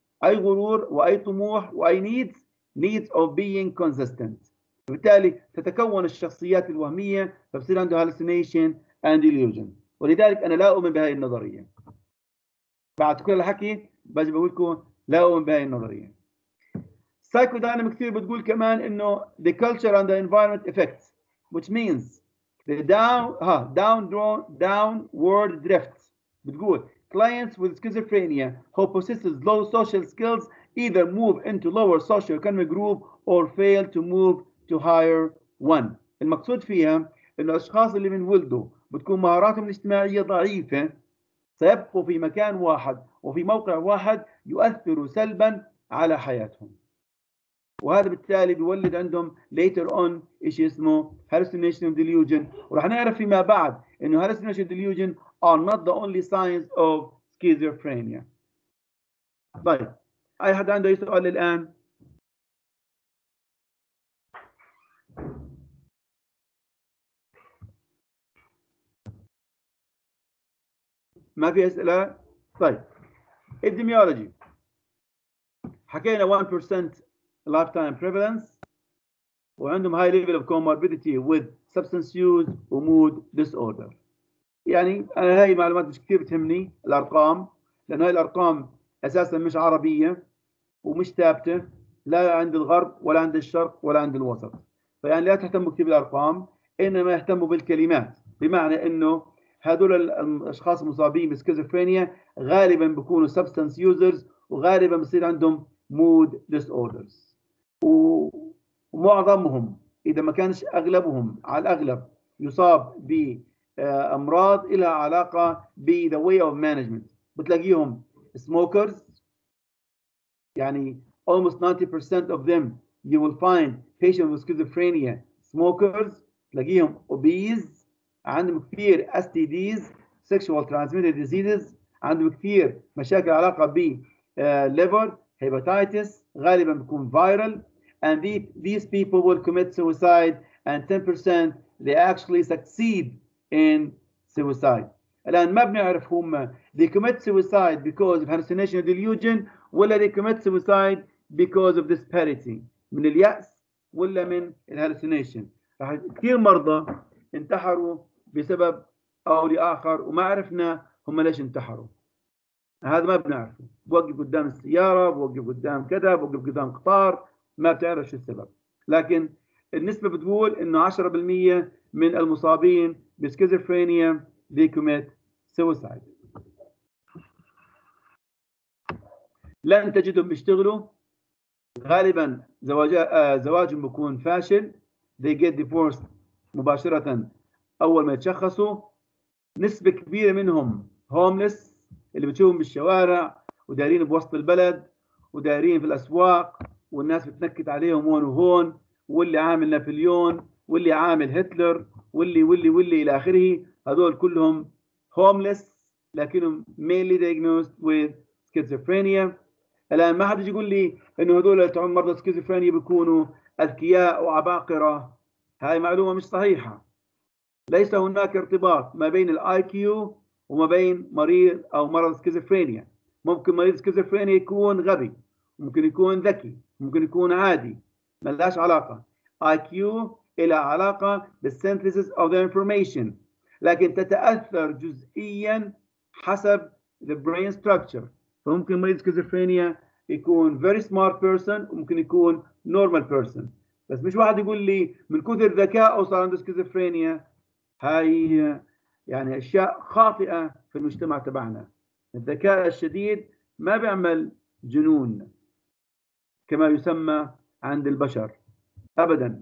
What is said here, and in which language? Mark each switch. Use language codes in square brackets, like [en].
[ar] أي غرور وأي طموح وأي [en] needs, needs of being consistent. [ar] وبالتالي تتكون الشخصيات الوهمية فبصير عنده [en] hallucination and illusion. [ar] ولذلك أنا لا أؤمن بهذه النظرية. بعد كل الحكي باجي بقول لكم لا أؤمن بهذه النظرية. [en] Psychodynamic theory [ar] بتقول كمان إنه [en] the culture and the environment effects, which means the downward drift. بتقول clients with schizophrenia who possesses low social skills either move into lower social economic group or fail to move to higher one. [ar] المقصود فيها إنه الأشخاص اللي بنولدوا بتكون مهاراتهم الاجتماعية ضعيفة سيبقوا في مكان واحد وفي موقع واحد يؤثروا سلبا على حياتهم. وهذا بالتالي بيولد عندهم [en] later on [ar] إشي اسمه hallucination and delusion. ورح نعرف فيما بعد إنه [en] hallucination and delusion are not the only signs of schizophrenia. [ar] طيب أي حد عنده سؤال الآن؟ ما في أسئلة؟ طيب [en] epidemiology حكينا 1% lifetime prevalence وعندهم high level of comorbidity with substance use and mood disorder. [ar] يعني أنا هاي المعلومات مش كثير بتهمني الأرقام لأن هاي الأرقام أساساً مش عربية ومش ثابتة لا عند الغرب ولا عند الشرق ولا عند الوسط. فيعني لا تهتموا كثير بالأرقام إنما يهتموا بالكلمات, بمعنى إنه هذول الأشخاص المصابين بسكيزوفرينيا غالباً بيكونوا substance users وغالباً بصير عندهم mood disorders. ومعظمهم إذا ما كانش أغلبهم على الأغلب يصاب بأمراض إلى علاقة بـ [en] the way of management. [ar] بتلاقيهم [en] smokers, يعني almost 90% of them you will find patients with schizophrenia smokers. تلاقيهم obese, عندهم كثير STDs sexual transmitted diseases, [ar] عندهم كثير مشاكل علاقة بـ [en] liver hepatitis, [ar] غالبا بيكون [en] viral, and these people will commit suicide, and 10% they actually succeed in suicide. [ar] الآن ما بنعرف هم [en] they commit suicide because of hallucination or delusion ولا they commit suicide because of disparity [ar] من اليأس ولا من [en] hallucination. [ar] راح كثير مرضى انتحروا بسبب أو لآخر وما عرفنا هم ليش انتحروا. هذا ما بنعرفه. بوقف قدام السيارة, بوقف قدام كذا, بوقف قدام قطار, ما بتعرف شو السبب. لكن النسبة بتقول إنه 10% من المصابين بسكيزوفرينيا [en] they commit suicide. [ar] لن تجدهم بيشتغلوا, غالبا زواجهم بيكون فاشل, [en] they get divorced [ar] مباشرة أول ما يتشخصوا. نسبة كبيرة منهم homeless اللي بتشوفهم بالشوارع ودارين بوسط البلد ودارين في الأسواق والناس بتنكت عليهم هون وهون, واللي عامل نابليون واللي عامل هتلر واللي واللي واللي إلى آخره. هذول كلهم [en] homeless لكنهم mainly diagnosed with schizophrenia. [ar] الآن ما حد يجي يقول لي إنه هذول اللي تعم مرضى schizophrenia بيكونوا أذكياء وعباقرة. هاي معلومة مش صحيحة. ليس هناك ارتباط ما بين IQ وما بين مريض أو مرض سكيزوفرينيا. ممكن مريض سكيزوفرينيا يكون غبي, ممكن يكون ذكي, ممكن يكون عادي, ملاش علاقة. [en] IQ إلى علاقة بالsynthesis of the information, [ar] لكن تتأثر جزئيا حسب [en] the brain structure. [ar] فممكن مريض سكيزوفرينيا يكون [en] very smart person, [ar] ممكن يكون [en] normal person. [ar] بس مش واحد يقول لي من كثر ذكاء أو صار عنده سكيزوفرينيا. هاي يعني أشياء خاطئة في المجتمع تبعنا. الذكاء الشديد ما بيعمل جنون كما يسمى عند البشر أبدا.